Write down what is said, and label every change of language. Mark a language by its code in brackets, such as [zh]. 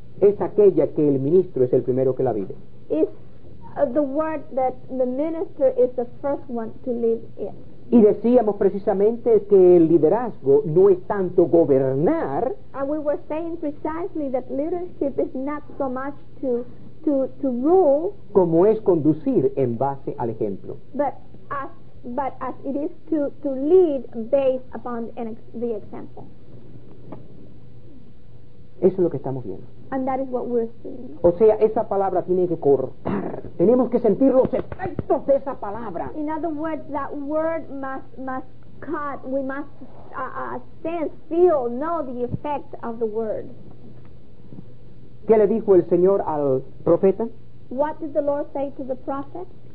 [es] es aquella que el ministro es el primero que la vive. [en] Is the word that the minister is the first one to live in. [es] Y decíamos precisamente que el liderazgo no es tanto gobernar. [en] And we were saying precisely that leadership is not so much to rule, [es] como es conducir en base al ejemplo, [en] but as it is to lead based upon the example. [es] Eso es lo que estamos viendo. [en] And that is what we're seeing. [es] O sea, esa palabra tiene que cortar. Tenemos que sentir los efectos de esa palabra. [en] In other words, that word must cut. We must sense, feel, know the effect of the word. [es] ¿Qué le dijo el Señor al profeta? [en] What did the Lord say to the prophet?